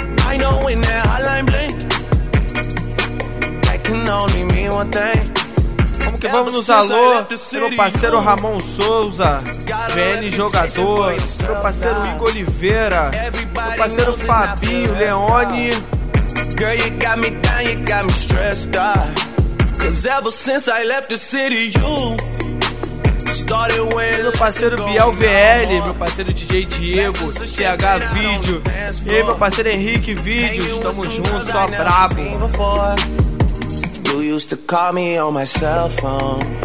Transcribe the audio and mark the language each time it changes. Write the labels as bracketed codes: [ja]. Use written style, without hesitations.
[en] I know when that hotline bling, that can only mean one thing. [pt] Como que vamos nos alô? Meu parceiro Ramon Souza, VN jogador, meu parceiro Igor Oliveira, meu parceiro Fabinho Leone. [en] Girl, you got me down, you got me stressed out. Cause ever since I left the city, you started winning. [pt] Meu parceiro Biel VL, meu parceiro DJ Diego, TH Vídeo. E aí, meu parceiro Henrique Vídeos, tamo junto, só brabo. [en] You used to call me on my cell phone.